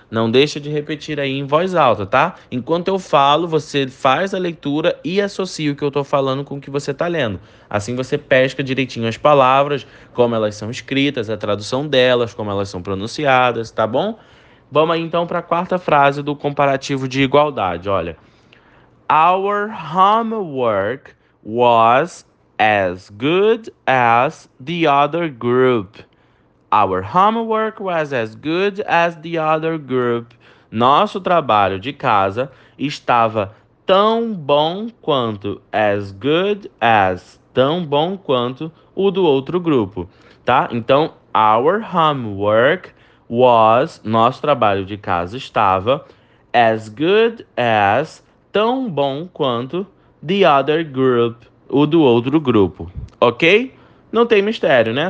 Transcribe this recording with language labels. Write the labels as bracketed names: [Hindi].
[Portuguese] Não deixa de repetir aí em voz alta, tá? Enquanto eu falo, você faz a leitura e associa o que eu tô falando com o que você tá lendo. Assim você pesca direitinho as palavras, como elas são escritas, a tradução delas, como elas são pronunciadas, tá bom? Vamos aí então para a quarta frase do comparativo de igualdade, olha. [English] Our homework was as good as the other group. Our homework was as good as the other group. [Portuguese] Nosso trabalho de casa estava tão bom quanto, [English] as good as, [Portuguese] tão bom quanto o do outro grupo, tá? Então, [English] our homework was, [Portuguese] nosso trabalho de casa estava [English] as good as, [Portuguese] tão bom quanto [English] the other group, [Portuguese] o do outro grupo, ok? Não tem mistério, né?